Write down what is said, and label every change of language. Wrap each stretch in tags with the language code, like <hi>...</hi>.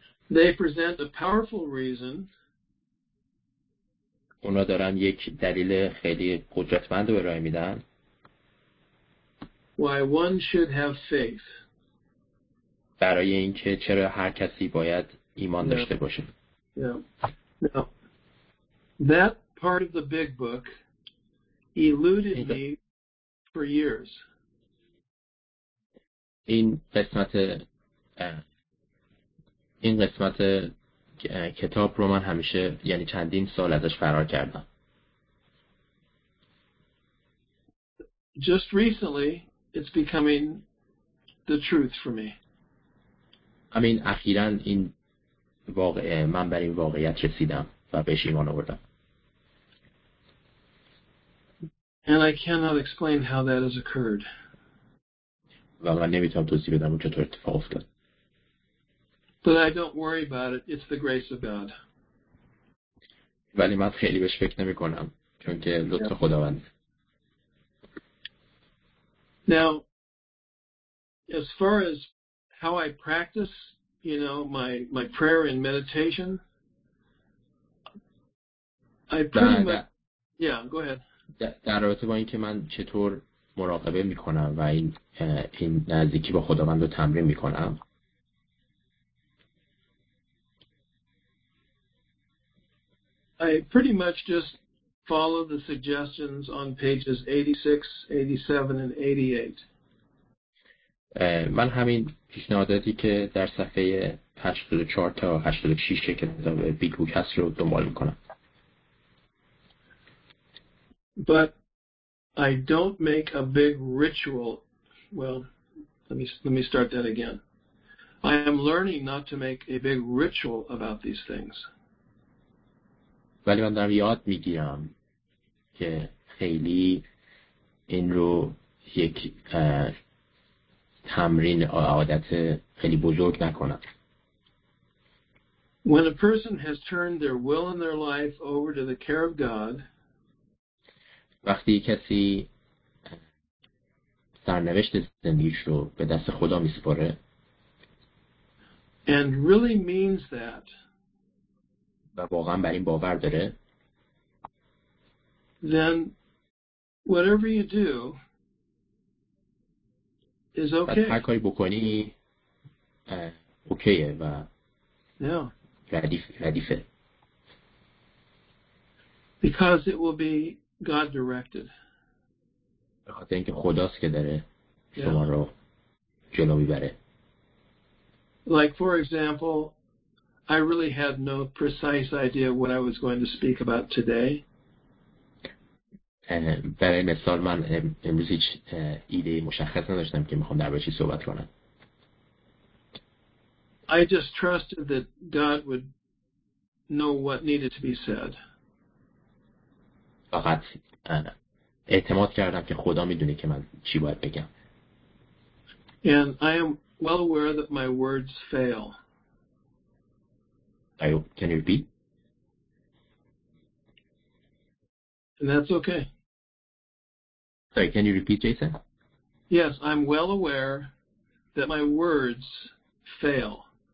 <en>They present a powerful reason</en> <fa>اونا دارن یک دلیل خیلی قدرتمند رو ارائه میدن</fa> <en>why one should have faith</en> <fa>برای اینکه چرا هر کسی باید ایمان داشته باشه.</fa> <en>Yeah. Now, that part of the big book eluded me for years.</en> <fa>این قسمت کتاب رو من همیشه یعنی چندین سال ازش فرار کردم.</fa> <en>Just recently it's becoming the truth for me.</en> <fa>همین اخیراً این واقعه من بر این واقعیت رسیدم و بهش ایمان آوردم.</fa> <en>And I cannot explain how that has occurred.</en> <fa>و من نمیتونم توضیح بدم چطور اتفاق افتاد.</fa> <en>But I don't worry about it. It's the grace of God.</en> <fa>ولی من خیلی بهش فکر نمی کنم چون که لطف خداوند.</fa> <en>Now, as far as how I practice, you know, my prayer and meditation. I pretty much Yeah, go ahead.</en> <fa>در رابطه با این که من چطور مراقبه میکنم و این نزدیکی با خداوند رو تمرین میکنم.</fa> <en>I pretty much just follow the suggestions on pages 86, 87 and 88.</en> <fa>من همین پیشنهاداتی که در صفحه 84 تا 86 کتاب بیگ بوک هست رو دنبال میکنم.</fa> <en>But I don't make a big ritual. Well, let me start that again. I am learning not to make a big ritual about these things.</en> <fa>ولی من دارم یاد میگیرم که خیلی این رو یک تمرین عادت خیلی بزرگ نکنم.</fa> <en>When a person has turned their will and their life over to the care of God,</en> <fa>وقتی کسی سرنوشت زندگیش رو به دست خدا میسپاره</fa> <en>and really means that,</en> <fa>و واقعا بر این باور داره,</fa> <en>then whatever you do is okay.</en> <fa>هر کاری بکنی اوکیه و ردیفه.</fa> <en>Because it will be God directed.</en> <fa>به خاطر اینکه خداست که داره شما رو جلو میبره.</fa> <en>Like for example, I really had no precise idea what I was going to speak about today.</en> <fa>برای مثال من امروز هیچ ایده مشخص نداشتم که میخوام درباره چی صحبت کنم.</fa> <en>I just trusted that God would know what needed to be said.</en> <fa>فقط اعتماد کردم که خدا میدونه که من چی باید بگم.</fa> <en>And I am well aware that my words fail. Can you repeat? And that's okay. Sorry, can you repeat, Jason? Yes, I'm well aware that my words fail.</en>